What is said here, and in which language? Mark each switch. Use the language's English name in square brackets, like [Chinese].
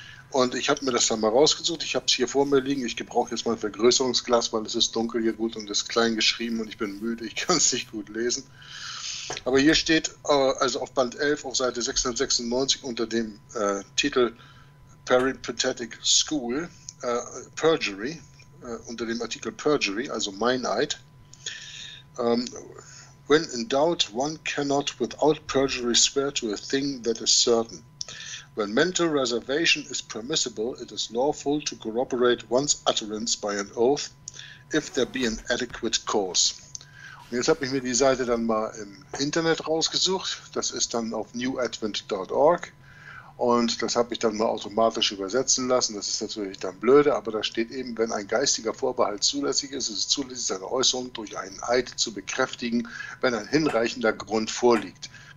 [German] Und ich habe mir das dann mal rausgesucht, ich habe es hier vor mir liegen, ich gebrauche jetzt mal ein Vergrößerungsglas, weil es ist dunkel hier gut und ist klein geschrieben und ich bin müde, ich kann es nicht gut lesen. Aber hier steht, also auf Band 11, auf Seite 696 unter dem Titel Peripatetic School, Perjury, unter dem Artikel Perjury, also Meineid. [English] When in doubt, one cannot without perjury swear to a thing that is certain. When mental reservation is permissible, it is lawful to corroborate one's utterance by an oath, if there be an adequate cause. [German] Und jetzt habe ich mir die Seite dann mal im Internet rausgesucht. Das ist dann auf newadvent.org. Und das habe ich dann mal automatisch übersetzen lassen. Das ist natürlich dann blöde, aber da steht eben, wenn ein geistiger Vorbehalt zulässig ist, ist es zulässig, seine Äußerung durch einen Eid zu bekräftigen, wenn ein hinreichender Grund vorliegt.